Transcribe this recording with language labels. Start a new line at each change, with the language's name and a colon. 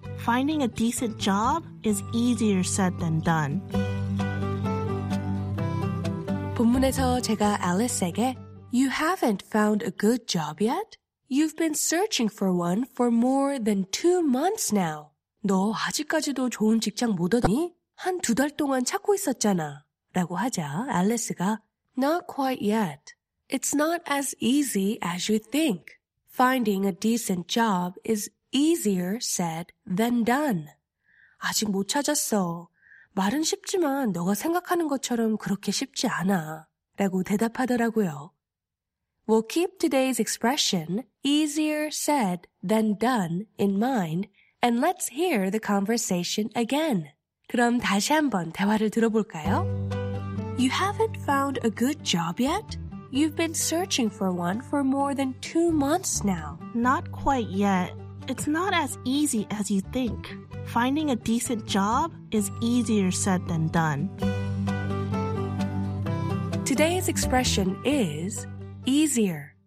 English: Finding a decent job is easier said than done.
Korean: 본문에서 제가 Alice에게
English: You haven't found a good job yet? You've been searching for one for more than 2 months now.
Korean: 너 아직까지도 좋은 직장 못 얻었니? 한 두 달 동안 찾고 있었잖아. 라고 하자 Alice가
English: Not quite yet. It's not as easy as you think. Finding a decent job is easier said than done.
Korean: 아직 못 찾았어. 말은 쉽지만 너가 생각하는 것처럼 그렇게 쉽지 않아. 라고 대답하더라고요.
English: We'll keep today's expression easier said than done in mind and let's hear the conversation again.
Korean: 그럼 다시 한번 대화를 들어볼까요?
English: You haven't found a good job yet? You've been searching for one for more than 2 months now. Not quite yet. It's not as easy as you think. Finding a decent job is easier said than done. Today's expression is easier.